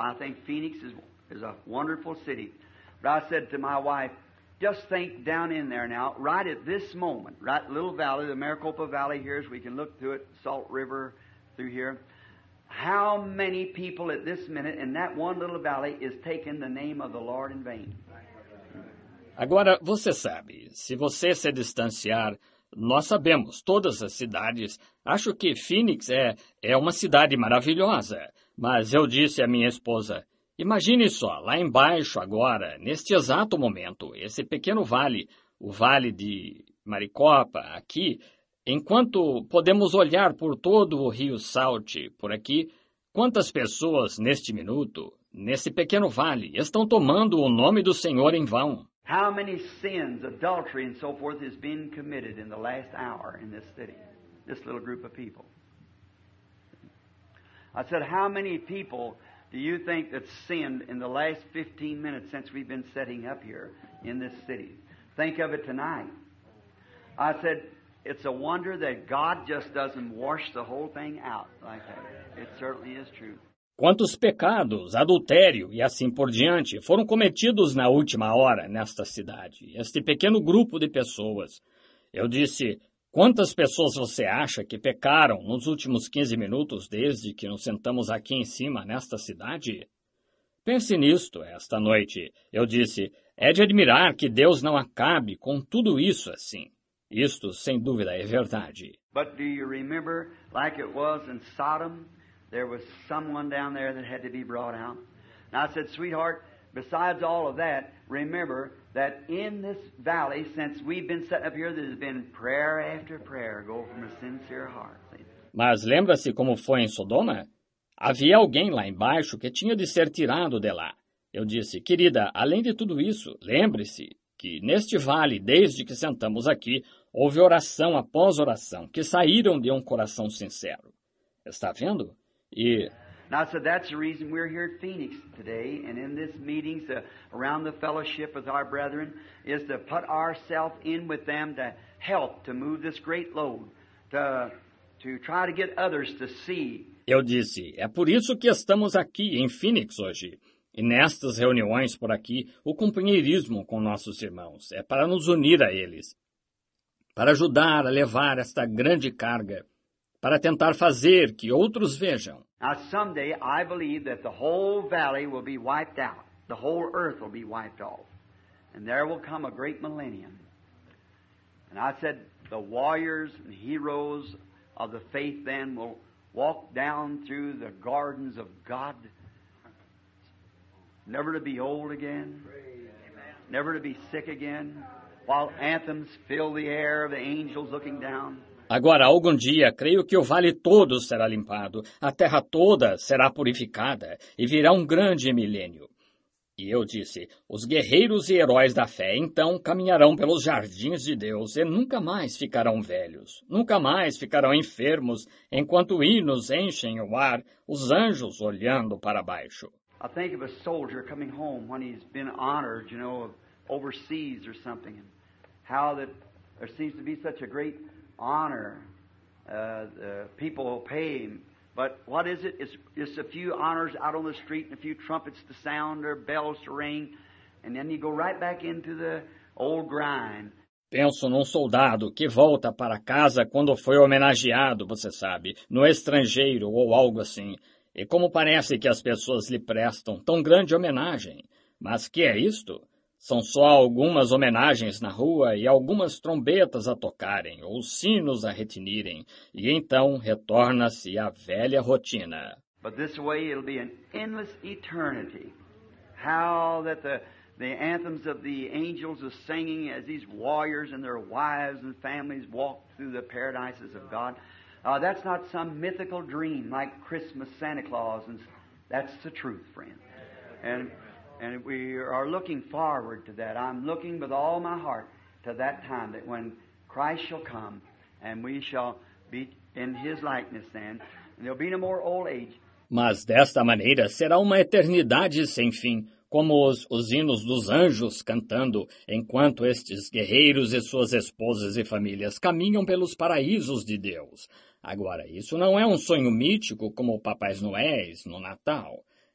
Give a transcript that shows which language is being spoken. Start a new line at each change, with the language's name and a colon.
English: I think Phoenix is a wonderful city. But I said to my wife, just think down in there now, right at this moment, right little valley, the Maricopa Valley here, as we can look through it, Salt River through here. How many people at this minute in that one little valley is taking the name of the Lord in vain?
Portuguese: Agora, você sabe, se você se distanciar, nós sabemos, todas as cidades, acho que Phoenix é uma cidade maravilhosa. Mas eu disse à minha esposa, imagine só, lá embaixo agora, neste exato momento, esse pequeno vale, o vale de Maricopa, aqui, enquanto podemos olhar por todo o rio Salt, por aqui, quantas pessoas, neste minuto, nesse pequeno vale, estão tomando o nome do Senhor em vão?
English: How many sins, adultery and so forth has been committed in the last hour in this city, this little group of people? I said, how many people do you think that sinned in the last 15 minutes since we've been setting up here in this city? Think of it tonight. I said, it's a wonder that God just doesn't wash the whole thing out like that. It certainly is true.
Portuguese: Quantos pecados, adultério e assim por diante foram cometidos na última hora nesta cidade, este pequeno grupo de pessoas? Eu disse, quantas pessoas você acha que pecaram nos últimos 15 minutos desde que nos sentamos aqui em cima nesta cidade? Pense nisto esta noite. Eu disse, é de admirar que Deus não acabe com tudo isso assim. Isto, sem dúvida, é verdade. Mas você lembra como era em Sodom?
English: There was someone down there that had to be brought out. And I said, sweetheart, besides all of that, remember that in this valley, since we've been set up here, there's been prayer after prayer go from a sincere heart.
Portuguese: Mas lembra-se como foi em Sodoma? Havia alguém lá embaixo que tinha de ser tirado de lá. Eu disse, querida, além de tudo isso, lembre-se que neste vale, desde que sentamos aqui, houve oração após oração que saíram de um coração sincero. Está vendo?
English: Now, so that's the reason we're here at Phoenix today, and in this meeting, around the fellowship with our brethren, is to put ourselves in with them to help to move this great load, to try to get others to see.
Portuguese: Eu disse, é por isso que estamos aqui em Phoenix hoje, e nestas reuniões por aqui, o companheirismo com nossos irmãos é para nos unir a eles, para ajudar a levar esta grande carga, para tentar fazer que outros vejam.
English: Now, someday I believe that the whole valley will be wiped out. The whole earth will be wiped off. And there will come a great millennium. And I said, the warriors and heroes of the faith then will walk down through the gardens of God, never to be old again, never to be sick again, while anthems fill the air of the angels looking down.
Portuguese: Agora, algum dia, creio que o vale todo será limpado, a terra toda será purificada e virá um grande milênio. E eu disse, os guerreiros e heróis da fé, então, caminharão pelos jardins de Deus e nunca mais ficarão velhos, nunca mais ficarão enfermos, enquanto hinos enchem o ar, os anjos olhando para baixo. Eu penso em um soldado chegando em casa, quando ele foi honrado,
English: you know, overseas or something, and how that there seems to be such a great honor, the people will pay him. But what is it? It's a few honors out on the street and a few trumpets to sound or bells to ring, and then you go right back into the old grind.
Portuguese: Penso num soldado que volta para casa quando foi homenageado, você sabe, no estrangeiro ou algo assim. E como parece que as pessoas lhe prestam tão grande homenagem. Mas que é isto? São só algumas homenagens na rua e algumas trombetas a tocarem ou sinos a retinirem. E então retorna-se à velha rotina.
English: But this way it'll be an endless eternity. How that the anthems of the angels are singing as these warriors and their wives and families walk through the paradises of God. That's not some mythical dream like Christmas, Santa Claus. And that's the truth, friend. And And we are looking forward to that. I'm looking with all my heart to that time that when Christ shall come and we shall be in his likeness then, and there'll be no more old age.
Portuguese: Mas desta maneira será uma eternidade sem fim, como os hinos dos anjos cantando, enquanto estes guerreiros e suas esposas e famílias caminham pelos paraísos de Deus. Agora, isso não é um sonho mítico como o Papais Noéis no Natal.